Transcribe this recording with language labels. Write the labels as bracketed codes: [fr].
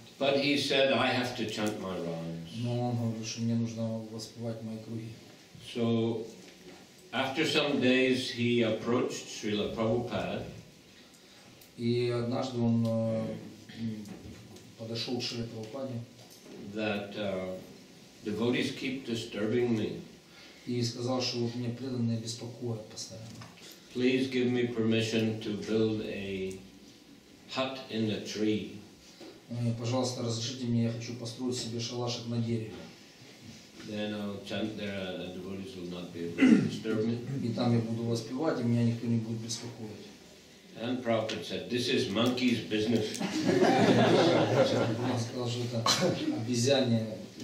[en] But he said, I have to chant my rounds. [ru] Но он говорил, что мне нужно воспевать мои круги. [en] So, after some days, he approached Srila Prabhupada. [ru] И однажды он подошел к Шриле Прабхупаде. [en] That devotees keep disturbing me. [ru] И сказал, что вот меня преданные беспокоят постоянно. [en] Please give me permission to build a hut in a tree. [ru] Пожалуйста, разрешите мне, я хочу построить себе шалашик на дереве. [en] Then I'll chant there and the devotees will not be able to disturb me. [ru] И там я буду воспевать, и меня никто не будет беспокоить. [en] And Prabhupada said, this is monkey's business. [ru] Он сказал, что это обезьянье.